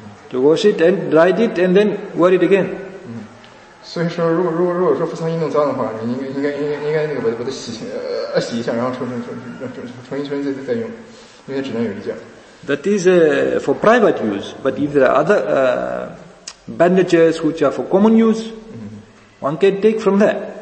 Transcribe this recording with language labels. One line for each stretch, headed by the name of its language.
English: To wash it and dry it and then wear it again.
Chinese: 所以说，如果说扶桑医弄脏的话，你应该那个把它洗一下，然后重新再用，因为只能有一件。
English: That is for private use, but if there are other bandages which are for common use, one can take from that.